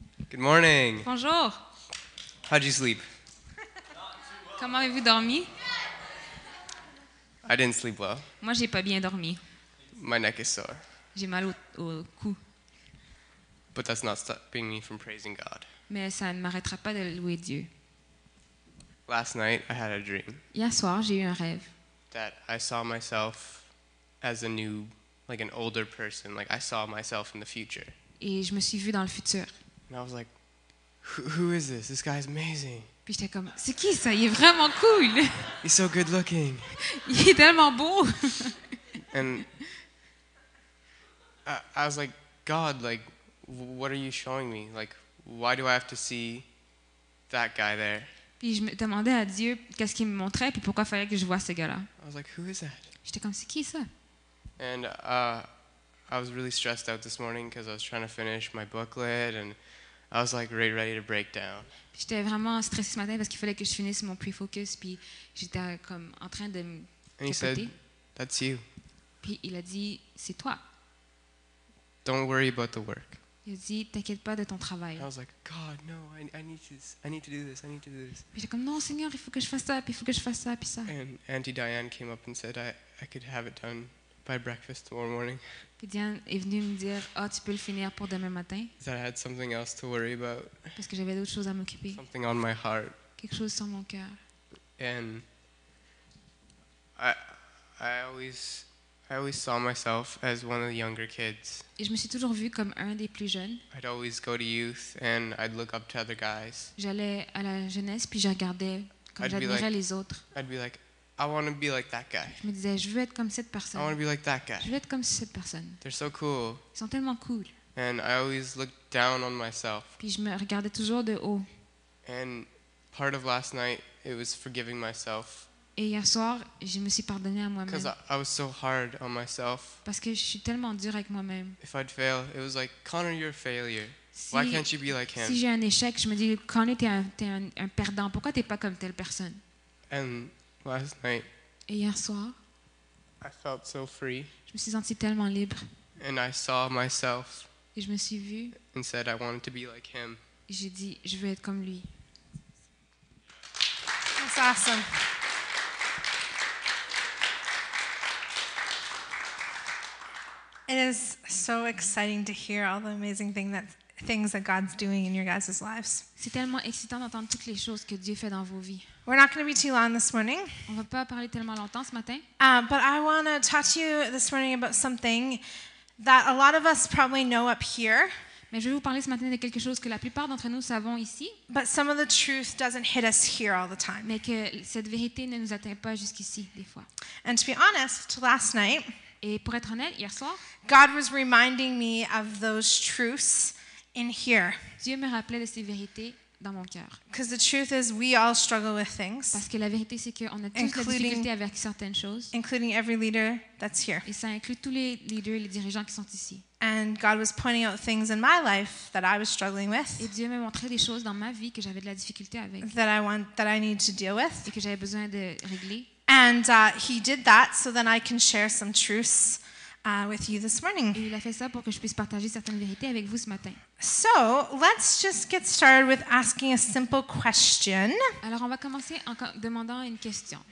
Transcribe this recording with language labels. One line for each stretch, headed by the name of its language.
English: Good morning.
French: Bonjour.
English: How'd you sleep?
French: Comment avez-vous dormi?
English: I didn't sleep well.
French: Moi, j'ai pas bien dormi.
English: My neck is sore.
French: J'ai mal au cou.
English: But that's not stopping me from praising God.
French: Mais ça ne m'arrêtera pas de louer Dieu.
English: Last night I had a dream.
French: Hier soir, j'ai eu un rêve.
English: That I saw myself as a new, like an older person, like I saw myself in the future.
French: Et je me suis vu dans le futur.
English: And I was like, who is this? This guy's amazing.
French: Puis j'étais comme, c'est qui ça? Il est vraiment cool.
English: He's so good looking.
French: Il est tellement beau.
English: And I was like, God, like, what are you showing me? Like, why do I have to see that guy there?
French: Puis je me demandais à Dieu qu'est-ce qu'il me montrait, puis pourquoi fallait que je voie ce gars-là.
English: I was like, who is that?
French: J'étais comme, c'est qui ça?
English: And I was really stressed out this morning because I was trying to finish my booklet and I was like really ready to break down.
French: J'étais vraiment stressé ce matin parce qu'il fallait que je finisse mon pre-focus puis j'étais comme en train de me capoter.
English: And he said, that's you.
French: Puis il a dit, c'est toi.
English: Don't worry about the work.
French: Il a dit, t'inquiète pas de ton travail.
English: And I was like, God, no, I need to do this.
French: Puis j'étais comme, non, Seigneur, il faut que je fasse ça.
English: And Auntie Diane came up and said, I could have it done by breakfast tomorrow morning.
French: Puis Diane est venue me dire, oh, tu peux le finir pour demain matin.
English: That I had something else to worry about.
French: Parce que j'avais d'autres choses à m'occuper.
English: Something on my heart.
French: Quelque chose sur mon cœur.
English: And I always saw myself as one of the younger kids.
French: Et je me suis toujours vue comme un des plus jeunes.
English: I'd always go to youth and I'd look up to other guys.
French: J'allais à la jeunesse puis je regardais comme j'admirais les autres.
English: I'd be like, I want to be like that guy.
French: Je me disais, je veux être comme cette personne.
English: I want to be like that guy.
French: Je veux être comme cette personne.
English: They're so cool.
French: Ils sont tellement cool.
English: And I always looked down on myself.
French: Puis je me regardais toujours de haut.
English: And part of last night, it was forgiving myself.
French: Et hier soir, je me suis pardonné à moi-même.
English: Because I was so hard on myself.
French: Parce que je suis tellement dur avec moi-même.
English: If I'd fail, it was like, Connor, you're a failure. Why can't you be like him?
French: Si j'ai un échec, je me dis, Connor, t'es un perdant. Pourquoi t'es pas comme telle personne?
English: And last night,
French: et hier soir,
English: I felt so free.
French: Je me suis sentie tellement libre.
English: And I saw myself.
French: Et je me suis vue.
English: And said I wanted to be like him.
French: Et j'ai dit, je veux être comme lui.
English: That's awesome. It is so exciting to hear all the amazing things that God's doing in your guys' lives.
French: C'est tellement excitant d'entendre toutes les choses que Dieu fait dans vos vies.
English: We're not going to be too long this morning.
French: On va pas parler tellement longtemps ce matin.
English: But I want to talk to you this morning about something that a lot of us probably know up here.
French: Mais je vais vous parler ce matin de quelque chose que la plupart d'entre nous savons ici.
English: But some of the truth doesn't hit us here all the time.
French: Mais que cette vérité ne nous atteint pas jusqu'ici des fois.
English: And to be honest, last night,
French: et pour être honnête, hier soir,
English: God was reminding me of those truths in here.
French: Dieu me rappelait de ces vérités dans mon cœur.
English: Because the truth is, we all struggle with things.
French: Parce que la vérité, c'est qu'on a tous des difficultés avec certaines choses.
English: Including every leader that's here.
French: Et ça inclut tous les leaders, les dirigeants qui sont ici.
English: And God was pointing out things in my life that I was struggling with.
French: Et Dieu me montrait des choses dans ma vie que j'avais de la difficulté avec.
English: That I need to deal with.
French: Et que j'avais besoin de régler.
English: And he did that so then I can share some truths with you this morning.
French: Et il a fait ça pour que je puisse partager certaines vérités avec vous ce matin.
English: So, let's just get started with asking a simple question.
French: Alors on va commencer en demandant une question.